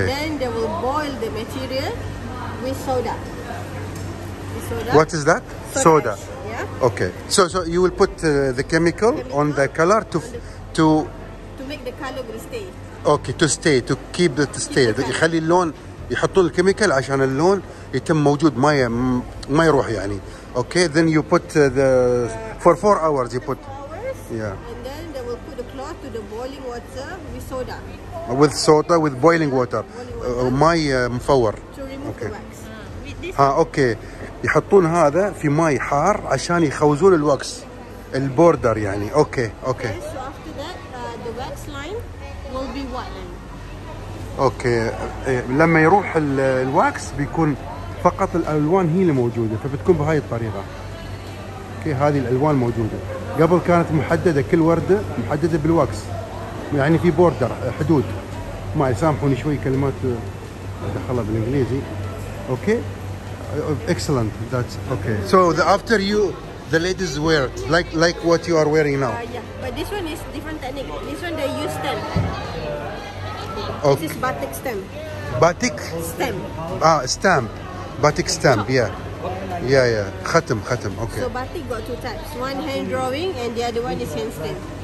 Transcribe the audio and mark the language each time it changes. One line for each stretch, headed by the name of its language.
English: And then they will boil the material with soda. What is that? Soda. Yeah. Okay. So you will put the chemical on the color to make the color stay. Okay, to stay, to keep it to stay.
Arabic: يخلي اللون يحطون الكيميكال عشان اللون يتم موجود ما يروح يعني.
English: Okay, then you put for 4 hours you put. 4 hours. Yeah. And then they will put the cloth to the boiling water with soda. With soda, with boiling water.
Arabic: ماي مفور.
English: To remove okay. the wax.
Arabic: اوكي يحطون هذا في ماء حار عشان يخوزون الوكس البوردر يعني اوكي اوكي لما يروح الوكس بيكون فقط الالوان هي اللي موجوده فبتكون بهاي الطريقه اوكي هذه الالوان موجوده قبل كانت محدده كل ورده محدده بالوكس يعني في بوردر حدود ما يسامحوني شوي كلمات ادخلها بالانجليزي اوكي
English: excellent that's okay so the after you the ladies wear it, like what you are wearing now yeah but this one is different technique this one they use stem okay. this is batik stem batik stem ah stamp batik stamp yeah yeah yeah khatam okay so batik got two types one hand drawing and the other one is hand stamp